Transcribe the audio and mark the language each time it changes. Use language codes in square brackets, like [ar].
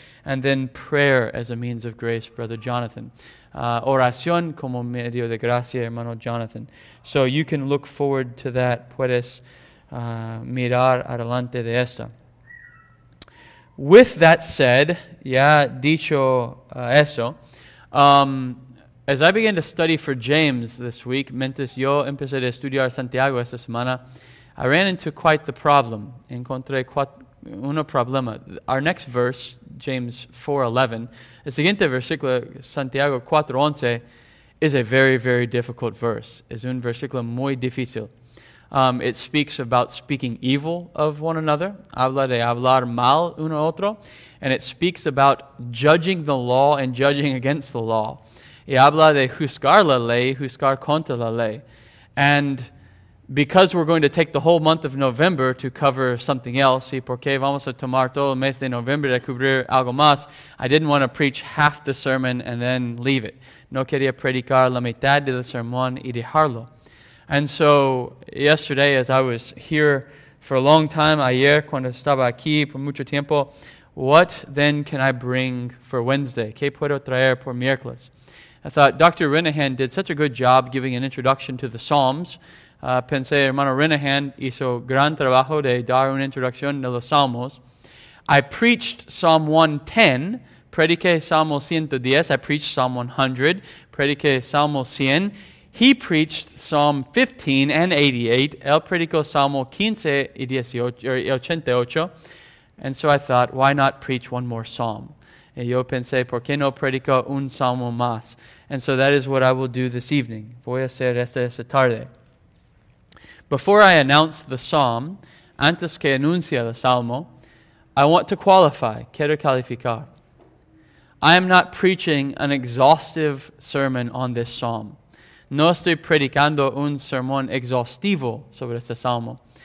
[en] And then prayer as a means of grace, Brother Jonathan. [es] Oración como medio de gracia, hermano Jonathan. [en] So you can look forward to that. [es] Puedes mirar adelante de esto. [en] With that said, [es] ya dicho eso, [en] as I began to study for James this week, [es] mientras yo empecé a estudiar Santiago esta semana, [en] I ran into quite the problem. [es] Encontré un problema. [en] Our next verse, James 4:11, [es] el siguiente versículo, Santiago 4:11, [en] is a very, very difficult verse. [es] Es un versículo muy difícil. [en] It speaks about speaking evil of one another. [es] Habla de hablar mal uno otro. [en] And it speaks about judging the law and judging against the law. [es] Y habla de juzgar la ley, juzgar contra la ley. [en] And because we're going to take the whole month of November to cover something else, [es] y porque vamos a tomar todo el mes de noviembre a cubrir algo más, [en] I didn't want to preach half the sermon and then leave it. [es] No quería predicar la mitad del sermón y dejarlo. [en] And so yesterday, as I was here for a long time, [es] ayer cuando estaba aquí por mucho tiempo, [en] what then can I bring for Wednesday? [es] ¿Qué puedo traer por miércoles? [en] I thought Dr. Renahan did such a good job giving an introduction to the Psalms. [es] Pensé, hermano Renahan hizo gran trabajo de dar una introducción de los Salmos. [en] I preached Psalm 110, [es] prediqué Salmo 110, [en] I preached Psalm 100, [es] prediqué Salmo 100. [en] He preached Psalm 15 and 88, [es] él predicó Salmo 15 y 88. [en] And so I thought, why not preach one more Psalm? [es] Y yo pensé, ¿por qué no predico un Salmo más? [en] And so that is what I will do this evening. [es] Voy a hacer esta tarde. [en] Before I announce the psalm, [es] antes que anuncie el salmo, [en] I want to qualify, [es] quiero calificar. [en] I am not preaching an exhaustive sermon on this psalm. [es] No estoy predicando un sermón exhaustivo sobre este salmo.